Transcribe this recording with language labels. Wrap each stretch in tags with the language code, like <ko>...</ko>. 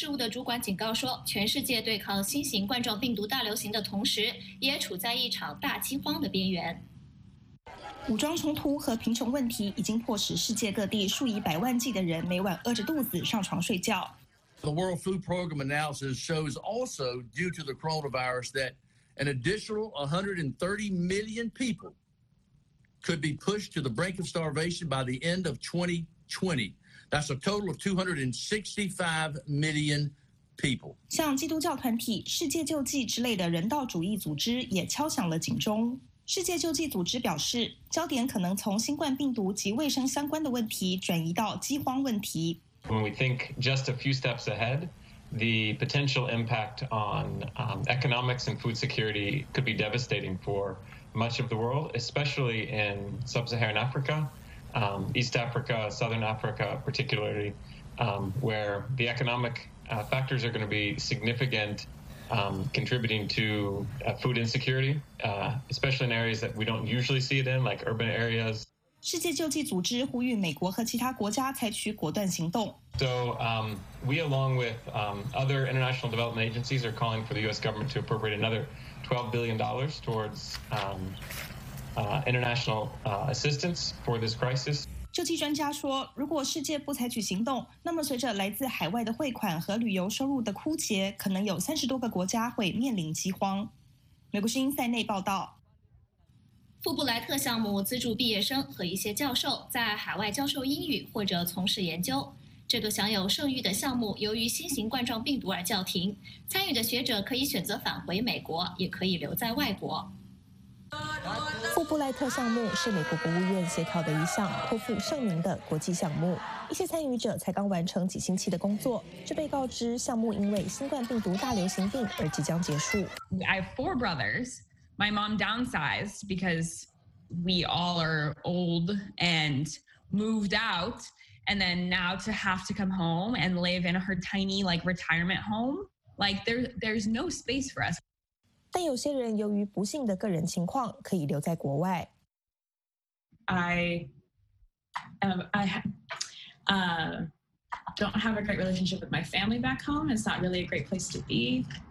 <zh>主管警告说，全世界对抗新型冠状病毒大流行的同时，也处在一场大饥荒的边缘。武装冲突和贫穷问题已经迫使世界各地数以百万计的人每晚饿着肚子上床睡觉。</zh> <en>The World Food Program analysis shows also, due to the coronavirus, that an additional 130 million people could be pushed to the brink of starvation by the end of 2020. That's a total of 265 million people.</en> <zh>像基督教团体、世界救济之类的人道主义组织也敲响了警钟。世界救济组织表示，焦点可能从新冠病毒及卫生相关的问题转移到饥荒问题。</zh> <en>When we think just a few steps ahead, the potential impact on economics and food security could be devastating for much of the world, especially in sub-Saharan Africa. East Africa, Southern Africa, particularly, where the economic factors are going to be significant, contributing to food insecurity, especially in areas that we don't usually see it in, like urban areas.</en> <zh>世界救济组织呼吁美国和其他国家采取果断行动。</zh> <en>So, we, along with other international development agencies, are calling for the U.S. government to appropriate another $12 billion towards. International assistance for this crisis.</en> <zh>救济专家说，如果世界不采取行动，那么随着来自海外的汇款和旅游收入的枯竭，可能有30多个国家会面临饥荒。美国之音塞内报道。富布莱特项目资助毕业生和一些教授在海外教授英语或者从事研究。这个享有盛誉的项目由于新型冠状病毒而叫停，参与的学者可以选择返回美国，也可以留在外国。富布莱特项目是美国国务院协调的一项颇负盛名的国际项目，一些参与者才刚完成几星期的工作，就被告知项目因为新冠病毒大流行病而即将结束。</zh> <en>I have four brothers. My mom downsized because we all are old and moved out, and then now to have to come home and live in her tiny like retirement home, like there's no space for us.</en> <zh>但有些人由于不幸的个人情况可以留在国外。</zh> <en>I I don't have a great relationship with my family back home. It's not really a great place to be.</en>